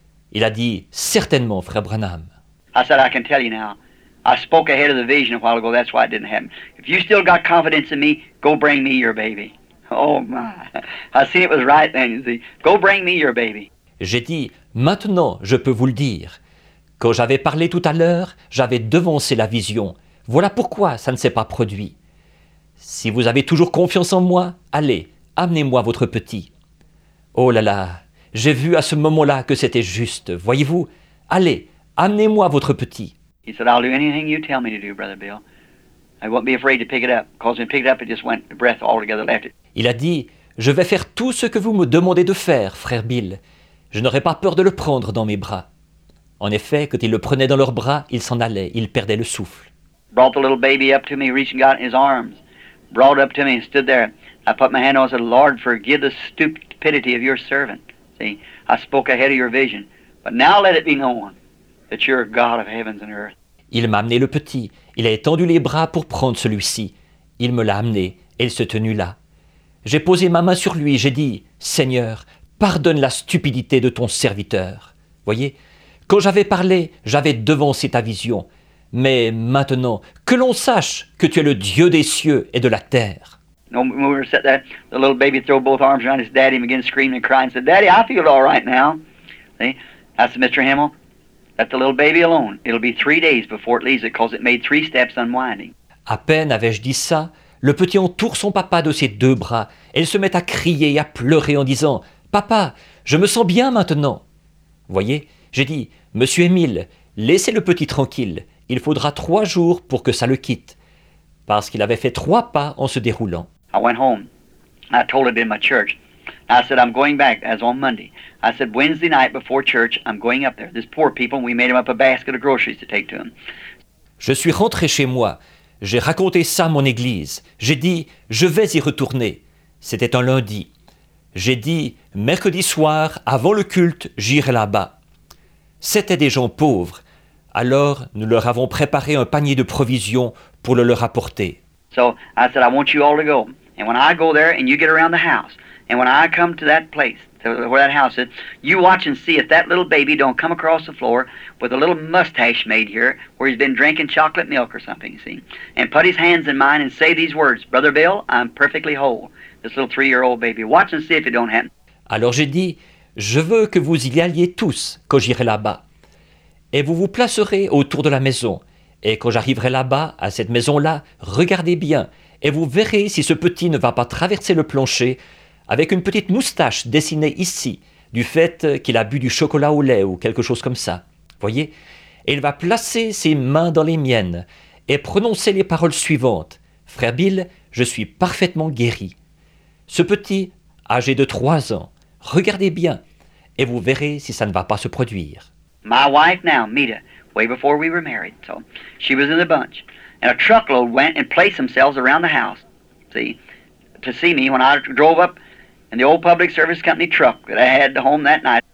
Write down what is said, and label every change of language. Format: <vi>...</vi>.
<fr>Il a dit, certainement, frère Branham.</fr> <en>I said, I can tell you now. I spoke ahead of the vision a while ago. That's why it didn't happen. If you still got confidence in me, go bring me your baby. Oh my. I see it was right then, you see. Go bring me your baby.</en> <fr>J'ai dit, maintenant, je peux vous le dire. Quand j'avais parlé tout à l'heure, j'avais devancé la vision. Voilà pourquoi ça ne s'est pas produit. Si vous avez toujours confiance en moi, allez, amenez-moi votre petit. Oh là là, j'ai vu à ce moment-là que c'était juste. Voyez-vous, allez, amenez-moi votre petit.</fr> <en>He said, I'll do anything you tell me to do, Brother Bill. I won't be afraid to pick it up. Because when I picked it up, it just went, the breath altogether left it.</en> <fr>Il a dit, je vais faire tout ce que vous me demandez de faire, frère Bill. Je n'aurai pas peur de le prendre dans mes bras. En effet, quand il le prenait dans leurs bras, il s'en allait, il perdait le souffle.</fr> <en>Brought the little baby up to me, reaching out in his arms. Brought up to me and stood there. I put my hand on and said, Lord, forgive the stupidity of your servant. See, I spoke ahead of your vision. But now let it be known. That you're God of heavens and earth.</en> <fr>Il m'a amené le petit. Il a étendu les bras pour prendre celui-ci. Il me l'a amené et il se tenut là. J'ai posé ma main sur lui. J'ai dit, Seigneur, pardonne la stupidité de ton serviteur. Voyez, quand j'avais parlé, j'avais devancé ta vision. Mais maintenant, que l'on sache que tu es le Dieu des cieux et de la terre.</fr> <en>No, when we were set there, the little baby threw both arms around his daddy and began screaming and crying. Said, Daddy, I feel all right now. See, that's Mr. Himmel. Let the little baby alone. It'll be 3 days before it leaves it, cause it made 3 steps unwinding.</en> <fr>À peine avais-je dit ça, le petit entoure son papa de ses deux bras. Elle se met à crier et à pleurer en disant, « Papa, je me sens bien maintenant. » Voyez, j'ai dit, « Monsieur Émile, laissez le petit tranquille. Il faudra 3 jours pour que ça le quitte. » Parce qu'il avait fait 3 pas en se déroulant.</fr> <en>I went home. I told it in my church. I said, I'm going back, as on Monday. I said, Wednesday night before church, I'm going up there. These poor people, we made them up a basket of groceries to take to them.</en> <fr>Je suis rentré chez moi. J'ai raconté ça à mon église. J'ai dit, je vais y retourner. C'était un lundi. J'ai dit, mercredi soir, avant le culte, j'irai là-bas. C'étaient des gens pauvres. Alors, nous leur avons préparé un panier de provisions pour le leur apporter.</fr> <en>So, I said, I want you all to go. And when I go there and you get around the house, and when I come to that place, to where that house is, you watch and see if that little baby don't come across the floor with a little mustache made here where he's been drinking chocolate milk or something, you see, and put his hands in mine and say these words, Brother Bill, I'm perfectly whole, this little 3-year-old baby. Watch and see if it don't happen.</en> <fr>Alors j'ai dit, je veux que vous y alliez tous quand j'irai là-bas. Et vous vous placerez autour de la maison. Et quand j'arriverai là-bas, à cette maison-là, regardez bien et vous verrez si ce petit ne va pas traverser le plancher avec une petite moustache dessinée ici, du fait qu'il a bu du chocolat au lait ou quelque chose comme ça. Voyez, et il va placer ses mains dans les miennes et prononcer les paroles suivantes. Frère Bill, je suis parfaitement guéri. Ce petit, âgé de 3 ans, regardez bien et vous verrez si ça ne va pas se produire.</fr> <en>My wife now, Mita, way before we were married, so she was in the bunch. And a truckload went and placed themselves around the house, see, to see me when I drove up in the old public service company truck that I had home that night.</en>